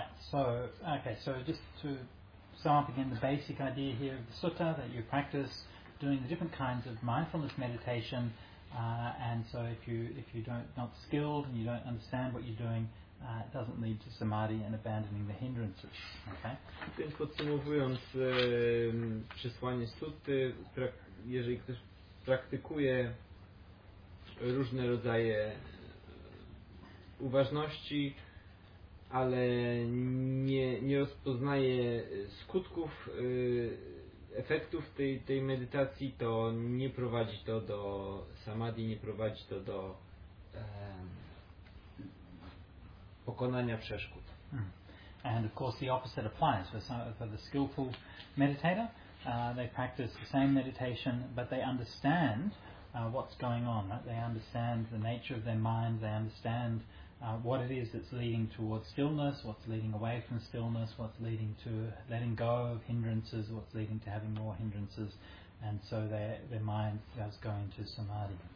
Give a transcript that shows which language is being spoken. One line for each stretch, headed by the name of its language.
English: So just to sum up again the basic idea here of the sutta, that you practice doing the different kinds of mindfulness meditation, and so if you not skilled and you don't understand what you're doing, it doesn't lead to samadhi and abandoning the hindrances. Okay.
Polish: Więc podsumowując przesłanie sutty, jeżeli ktoś praktykuje różne rodzaje uważności, ale nie rozpoznaje skutków, efektów tej medytacji, to nie prowadzi to do samadhi, nie prowadzi to do pokonania przeszkód.
English: And of course the opposite applies for the skillful meditator. They practice the same meditation, but they understand what's going on. Right? They understand the nature of their mind, they understand what it is that's leading towards stillness, what's leading away from stillness, what's leading to letting go of hindrances, what's leading to having more hindrances, and so their mind does go into samadhi.